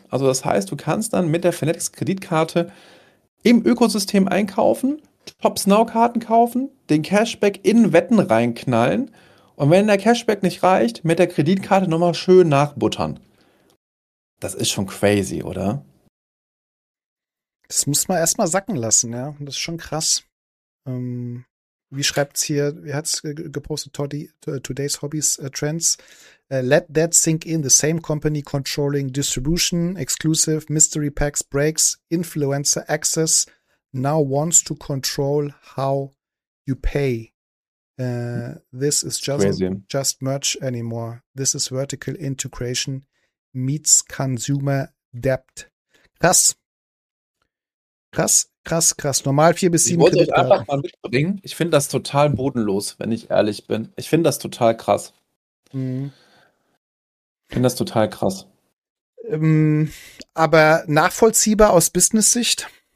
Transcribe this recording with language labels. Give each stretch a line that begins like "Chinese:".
German: Also das heißt, du kannst dann mit der Fanatics-Kreditkarte im Ökosystem einkaufen, Top-Snow-Karten kaufen, den Cashback in Wetten reinknallen und wenn der Cashback nicht reicht, mit der Kreditkarte nochmal schön nachbuttern. Das ist schon crazy, oder? Das muss man erstmal sacken lassen, ja. Das ist schon krass. Wie schreibt es hier, wie hat es gepostet, Today's Hobbies Trends?
English: Let that sink in, the same company controlling distribution, exclusive, mystery packs, breaks, influencer access, now wants to control how you pay. This is just merch anymore. This is vertical integration meets consumer debt.
German: Krass. Krass, krass, krass. Normal 4 bis 7 Kredit. Ich wollte euch einfach mal mitbringen. Ich finde das total bodenlos, wenn ich ehrlich bin. Ich finde das total krass. Ich finde das total krass. Aber nachvollziehbar aus Business-Sicht?